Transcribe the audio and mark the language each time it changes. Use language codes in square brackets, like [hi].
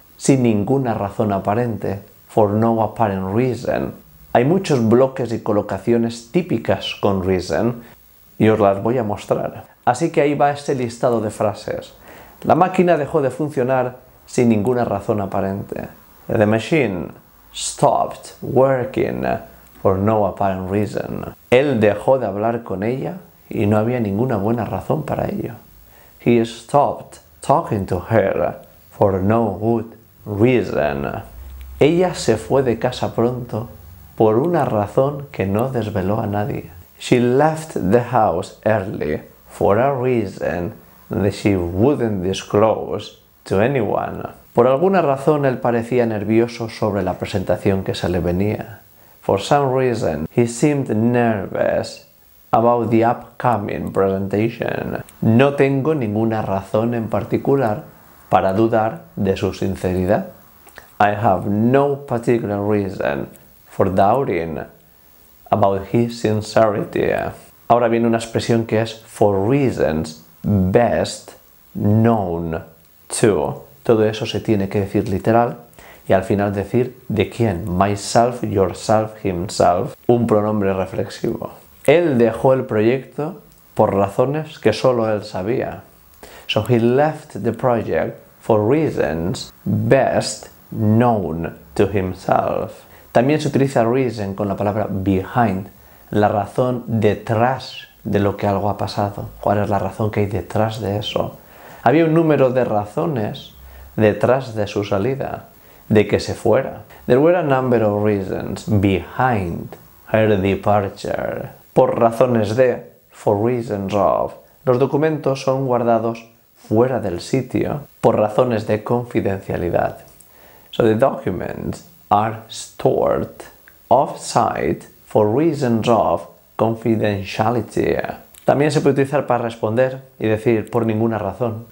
[es] Sin ninguna razón aparente, [en] for no apparent reason. [es] Hay muchos bloques y colocaciones típicas con reason y os las voy a mostrar. Así que ahí va este listado de frases. La máquina dejó de funcionar sin ninguna razón aparente. [en] The machine stopped working for no apparent reason. [es] Él dejó de hablar con ella y no había ninguna buena razón para ello. [en] He stopped talking to her for no good reason. [es] Ella se fue de casa pronto por una razón que no desveló a nadie. [en] She left the house early for a reason that she wouldn't disclose to anyone. [es] Por alguna razón, él parecía nervioso sobre la presentación que se le venía. [en] For some reason, he seemed nervous about the upcoming presentation. [es] No tengo ninguna razón en particular para dudar de su sinceridad. [en] I have no particular reason for doubting about his sincerity. [es] Ahora viene una expresión que es [en] for reasons best known to. [es] Todo eso se tiene que decir literal y al final decir de quién. [en] Myself, yourself, himself. [es] Un pronombre reflexivo. Él dejó el proyecto por razones que solo él sabía. [en] So he left the project for reasons best known to himself. [es] También se utiliza reason con la palabra behind. La razón detrás de lo que algo ha pasado. ¿Cuál es la razón que hay detrás de eso? Había un número de razones detrás de su salida, de que se fuera. [en] There were a number of reasons behind her departure. [es] Por razones de, [en] for reasons of. [es] Los documentos son guardados fuera del sitio por razones de confidencialidad. [en] So the documents are stored off-site for reasons of confidentiality. [es] También se puede utilizar para responder y decir por ninguna razón.